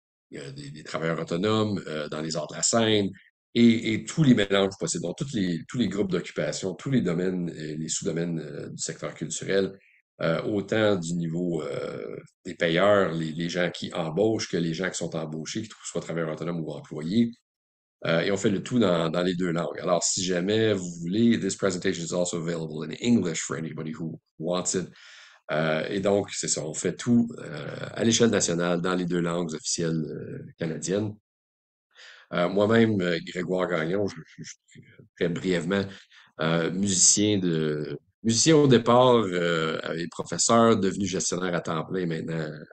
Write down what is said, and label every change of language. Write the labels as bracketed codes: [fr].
[fr] des travailleurs autonomes dans les arts de la scène et tous les mélanges possibles, donc tous les groupes d'occupation, tous les domaines et les sous-domaines du secteur culturel, autant du niveau des payeurs, les gens qui embauchent que les gens qui sont embauchés, que ce soit travailleurs autonomes ou employés. Et on fait le tout dans les deux langues. Alors, si jamais vous voulez, [en] this presentation is also available in English for anybody who wants it. [fr] Et donc, c'est ça, on fait tout à l'échelle nationale dans les deux langues officielles canadiennes. Moi-même, Grégoire Gagnon, je très brièvement, musicien au départ et professeur, devenu gestionnaire à temps plein maintenant.